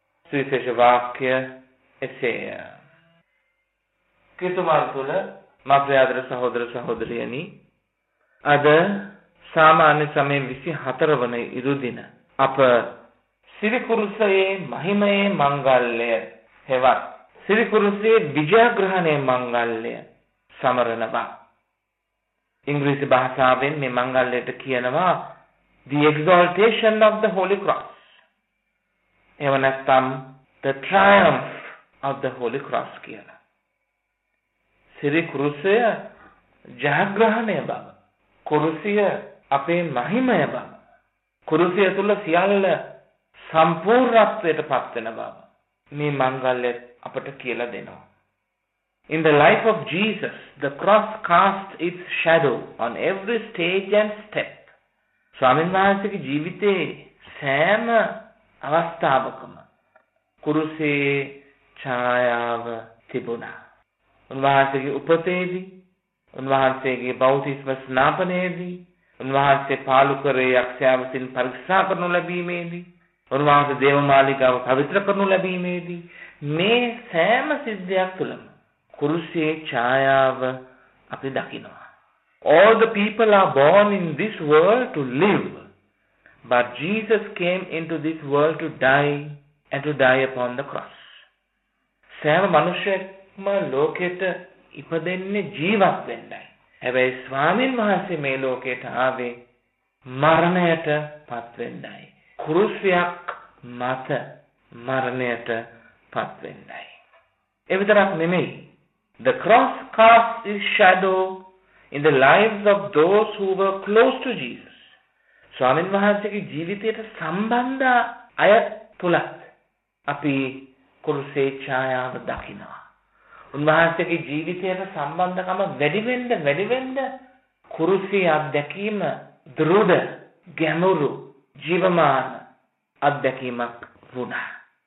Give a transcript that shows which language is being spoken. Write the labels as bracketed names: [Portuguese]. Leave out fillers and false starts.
[Sinhala] සුවිශේෂ වාක්‍ය එසේය. කිතුමාර තුළ මාත්‍රයාදර සහෝදර සහෝදරියනි, අද සාමාන්‍ය සමය 24 වන ඉරුදින අප සිරි කුරුසයේ මහිමයේ මංගල්‍ය හෙවත් සිරි කුරුසයේ විජයග්‍රහණයේ මංගල්‍ය සමරනවා. ඉංග්‍රීසි භාෂාවෙන් මේ මංගල්‍යයට කියනවා [English] The Exaltation of the Holy Cross. [Sinhala] එහෙම නැත්නම් [English] The Triumph of the Holy Cross [Sinhala] කියලා. සිරි කුරුසය ජයග්‍රහණය බව, කුරුසය අපේ මහිමය බව, කුරුසය තුළ සියල්ල සම්පූර්ණත්වයට පත්වෙන බව මේ මංගල්‍ය අපට කියලා දෙනවා. [English] In the life of Jesus, the cross cast its shadow on every stage and step. [Sinhala] ස්වාමීන් වහන්සේගේ ජීවිතයේ සෑම අවස්ථාවකම කුරුසේ ඡායාව තිබුණා. උන්වහන්සේගේ උපතේදී, උන්වහන්සේගේ බෞතිස්ම ස්නාපනයේදී, උන්වහන්සේ පාලුකරේ යක්ෂයා විසින් පරික්ෂා කරනු ලැබීමේදී, උන්වහන්සේ දේවමාලිකාව පවිත්‍ර කරනු ලැබීමේදී මේ සෑම සිද්ධියක් තුළම කුරුසේ ඡායාව අපි දකිනවා. [English] All the people are born in this world to live, but Jesus came into this world to die and to die upon the cross. [Sinhala] සෑම මනුෂ්‍යෙක්ම ලෝකෙට ඉපදෙන්නේ ජීවත් වෙන්නයි. හැබැයි ස්වාමීන් වහන්සේ මේ ලෝකයට ආවේ මරණයට පත් වෙන්නයි. කුරුසයක් මත මරණයට පත් වෙන්නයි. ඒ විතරක් නෙමෙයි, [English] The cross cast its shadow in the lives of those who were close to Jesus. [Sinhala] ස්වාමීන් වහන්සේගේ ජීවිතයට සම්බන්ධ අය තුලත් අපි කුරුසේ ඡායාව දකිනවා. උන්වහන්සේගේ ජීවිතයට සම්බන්ධකම වැඩි වෙන්න කුරුසේ අත්දැකීම දෘඩ, ගැඹුරු, ජීවමාන අත්දැකීමක් වුණා.